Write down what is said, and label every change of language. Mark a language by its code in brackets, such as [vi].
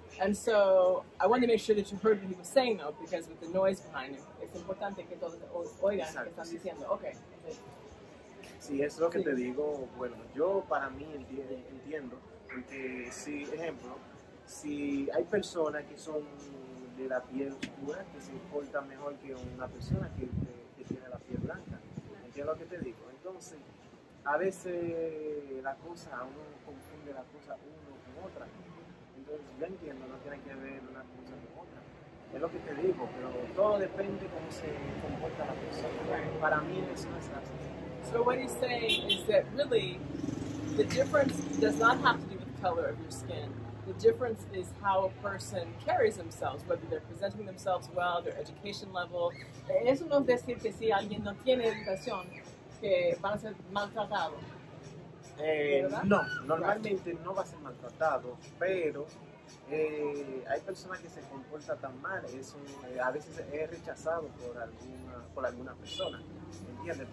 [en] And so I want to make sure that you heard what he was saying, though, because with the noise behind him, it's important [es] que todos oigan lo que están diciendo. [en] Okay. [es] Sí, es lo que te digo. Bueno, yo para mí entiendo, porque si, ejemplo, si hay personas que son de la piel oscura, que se portan mejor que una persona que tiene la piel blanca, entiendo lo que te digo. Entonces, a veces la cosa, uno confunde la cosa uno con otra. Entonces, yo entiendo, no tiene que ver una cosa con otra. Es lo que te digo, pero todo depende cómo se comporta la persona. Para mí eso no es así. [en] So what he's saying is that really, the difference does not have to do with the color of your skin. The difference is how a person carries themselves, whether they're presenting themselves well, their education level. [es] Eso no es decir que si alguien no tiene educación, que van a ser maltratado. No, normalmente no va a ser maltratado, pero hay personas que se comportan tan mal, es un, a veces es rechazado por alguna persona, ¿entiendes?